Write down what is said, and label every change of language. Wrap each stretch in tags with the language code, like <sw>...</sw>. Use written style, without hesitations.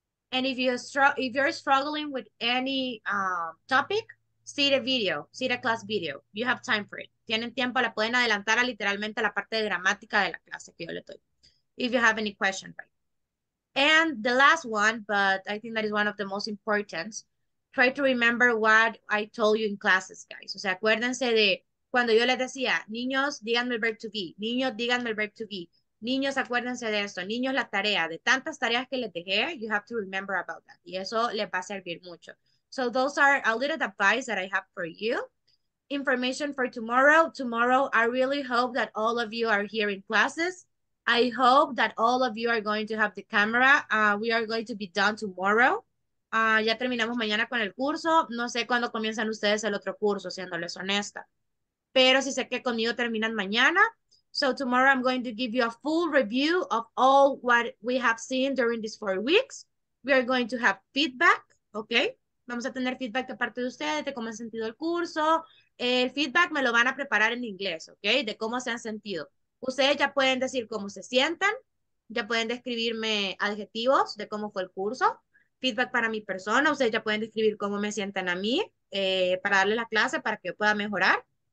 <en>And if you're struggling with any topic, see the video, see the class video. You have time for it.</en> <es>Tienen tiempo, la pueden adelantar a literalmente la parte de gramática de la clase que yo le doy.</es> <en>If you have any question, right? And the last one, but I think that is one of the most important, try to remember what I told you in classes, guys.</en> <es>O sea, acuérdense de cuando yo les decía, niños, díganme el</es> <en>verb to be.</en> <es>Niños, díganme el verb to be. Niños, acuérdense de esto. Niños, la tarea. De tantas tareas que les dejé,</es> <en>you have to remember about that.</en> <es>Y eso les va a servir mucho.</es> <en>So those are a little advice that I have for you. Information for tomorrow. Tomorrow, I really hope that all of you are here in classes. I hope that all of you are going to have the camera. We are going to be done tomorrow.</en> <es>Ya terminamos mañana con el curso. No sé cuándo comienzan ustedes el otro curso, siéndoles honesta. Pero si sé que conmigo terminan mañana.</es> <en>So tomorrow I'm going to give you a full review of all what we have seen during these 4 weeks. We are going to have feedback, okay?</en> <es>Vamos a tener feedback de parte de ustedes, de cómo han sentido el curso. El feedback me lo van a preparar en inglés, okay? De cómo se han sentido. Ustedes ya pueden decir cómo se sientan. Ya pueden describirme adjetivos de cómo fue el curso. Feedback para mi persona. Ustedes ya pueden describir cómo me sientan a mí para darle la clase para que yo pueda mejorar.</es>